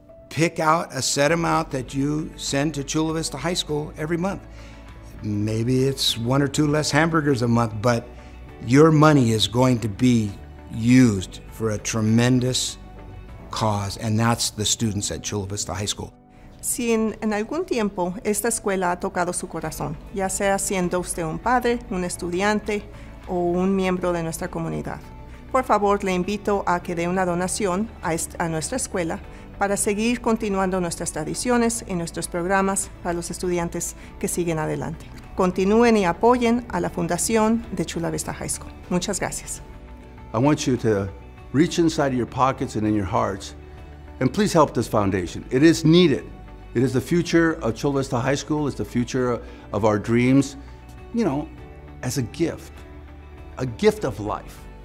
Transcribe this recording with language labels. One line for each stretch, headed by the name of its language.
English: Pick out a set amount that you send to Chula Vista High School every month. Maybe it's one or two less hamburgers a month, but your money is going to be used for a tremendous cause, and that's the students at Chula Vista High School.
Spanish: Si en algún tiempo esta escuela ha tocado su corazón, ya sea siendo usted un padre, un estudiante, o un miembro de nuestra comunidad, por favor, le invito a que dé una donación a nuestra escuela para seguir continuando nuestras tradiciones y nuestros programas para los estudiantes que siguen adelante. Continúen y apoyen a la Fundación de Chula Vista High School. Muchas gracias.
English: I want you to reach inside of your pockets and in your hearts, and please help this foundation. It is needed. It is the future of Chula Vista High School. It's the future of our dreams, you know, as a gift of life.